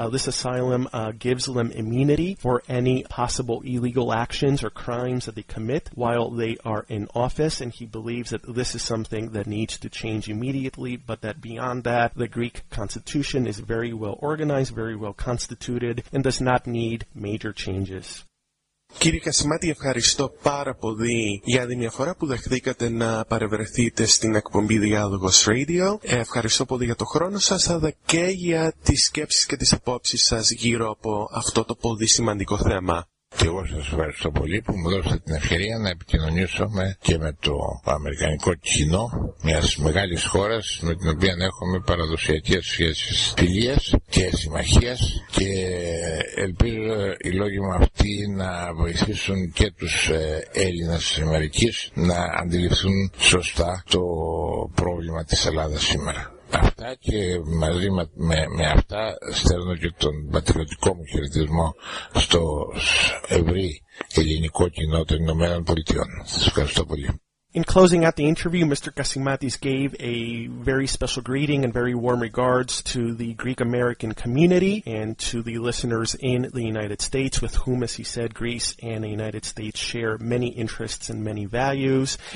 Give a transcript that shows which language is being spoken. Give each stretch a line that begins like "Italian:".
English: This asylum gives them immunity for any possible illegal actions or crimes that they commit while they are in office, and he believes that this is something that needs to change immediately, but that beyond that, the Greek constitution is very well organized, very well constituted, and does not need major changes.
Greek: Κύριε Κασιμάτη, ευχαριστώ πάρα πολύ για άλλη μια φορά που δεχθήκατε να παρευρεθείτε στην εκπομπή Διάλογος Radio. Ευχαριστώ πολύ για το χρόνο σας, αλλά και για τις σκέψεις και τις απόψεις σας γύρω από αυτό το πολύ σημαντικό θέμα. Και εγώ σας ευχαριστώ πολύ που μου δώσατε την ευκαιρία να επικοινωνήσω και με το αμερικανικό κοινό μιας μεγάλης χώρας με την οποία έχουμε παραδοσιακές σχέσεις φιλίας και συμμαχίας, και ελπίζω οι λόγοι μου αυτοί να βοηθήσουν και τους Έλληνες της Αμερικής να αντιληφθούν σωστά το πρόβλημα της Ελλάδας σήμερα. Αυτά, και μαζί με αυτά στέλνω και τον πατριωτικό μου χαιρετισμό στο ευρύ ελληνικό κοινό των Ηνωμένων Πολιτειών. Σας ευχαριστώ πολύ.
English: In closing out the interview, Mr. Kasimatis gave a very special greeting and very warm regards to the Greek-American community and to the listeners in the United States with whom, as he said, Greece and the United States share many interests and many values.